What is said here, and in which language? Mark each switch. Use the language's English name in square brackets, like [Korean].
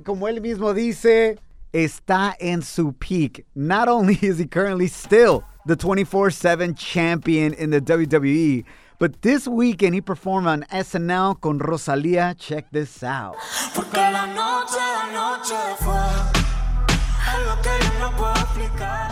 [Spanish] Como él mismo dice, está en su peak. [English] Not only is he currently still the 24/7 champion in the WWE, but this weekend he performed on SNL [Spanish] con Rosalía. [English] Check this out. [Spanish] Porque la noche fue algo que yo no puedo explicar.